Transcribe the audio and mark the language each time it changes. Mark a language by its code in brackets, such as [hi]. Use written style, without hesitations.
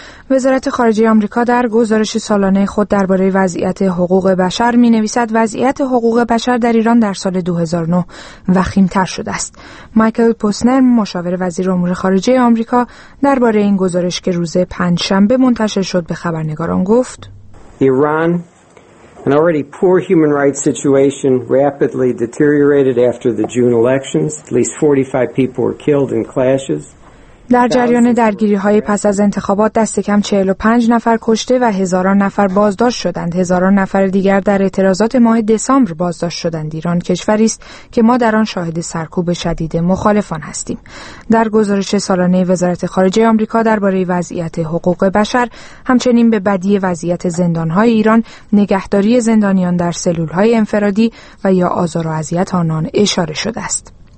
[fa] وزارت خارجه آمریکا در گزارش سالانه خود درباره وضعیت حقوق بشر می‌نویسد وضعیت حقوق بشر در ایران در سال 2009 وخیم‌تر شده است. مایکل پوسنر، مشاور وزیر امور خارجه آمریکا، درباره این گزارش که روز پنجشنبه منتشر شد به خبرنگاران گفت: [en] ایران، an already poor human rights situation rapidly deteriorated after the June elections. At least 45 people were killed in clashes. [fa] در جریان درگیری‌های پس از انتخابات دست کم 45 نفر کشته و هزاران نفر بازداشت شدند. هزاران نفر دیگر در اعتراضات ماه دسامبر بازداشت شدند. ایران کشوری است که ما در آن شاهد سرکوب شدید مخالفان هستیم. در گزارش سالانه وزارت خارجه آمریکا درباره وضعیت حقوق بشر، همچنین به بدی وضعیت زندان‌های ایران، نگهداری زندانیان در سلول‌های انفرادی و یا آزار و اذیت آنان اشاره شده است.